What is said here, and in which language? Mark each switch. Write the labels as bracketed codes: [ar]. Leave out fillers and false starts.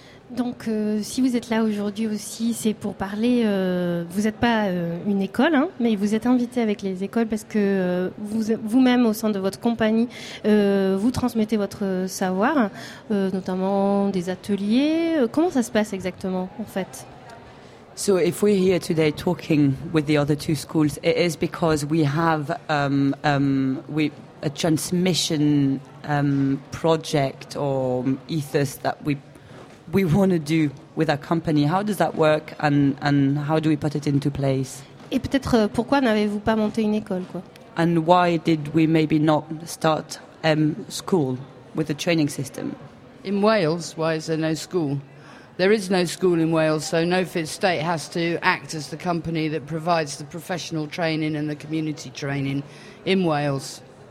[fr] Donc, si vous êtes là aujourd'hui aussi, c'est pour parler. Vous n'êtes pas une école, hein, mais vous êtes invité avec les écoles parce que vous-même, au sein de votre compagnie, vous transmettez votre savoir, notamment des ateliers. Comment ça se passe exactement, en fait? [en] So, if we're here today talking with the other two schools, it is because we have a transmission project or ethos that we want to do with our company. How does that work and how do we put it into place? [fr] Et peut-être pourquoi n'avez-vous pas monté une école, quoi? [en] And why did we maybe not start a school with a training system? In Wales, why is there no school? There is no school in Wales, so Nofit State has to act as the company that provides the professional training and the community training in Wales.